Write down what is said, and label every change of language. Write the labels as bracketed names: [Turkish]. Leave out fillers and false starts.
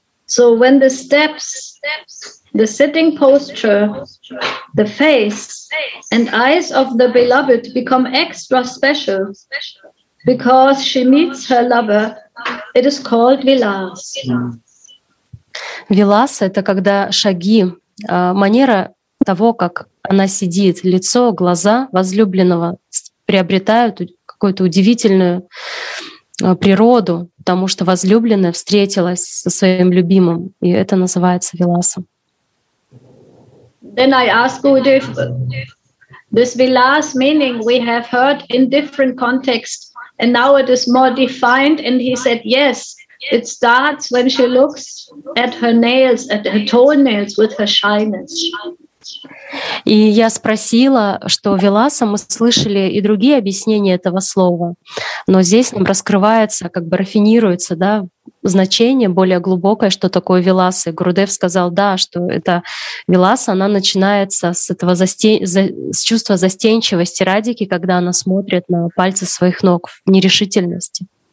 [English] So when the steps, the sitting posture, the face and eyes of the beloved become extra special because she meets her lover, it is called vilas. [Russian] Vilas – это когда шаги, манера того, как она сидит, лицо, глаза возлюбленного приобретают какую-то удивительную природу, потому что возлюбленная встретилась со своим любимым, и это называется виласом. [English] Then I ask Gurudev, this vilas meaning we have heard in different contexts, and now it is more defined, and he said, yes, it starts when she looks at her nails, at her toenails with her shyness. [Russian] И я спросила, что виласа, мы слышали и другие объяснения этого слова, но здесь нам раскрывается, как бы рафинируется, да, значение более глубокое, что такое виласа. И Гурудев сказал, да, что это виласа, она начинается с этого с чувства застенчивости Радики, когда она смотрит на пальцы своих ног в нерешительности.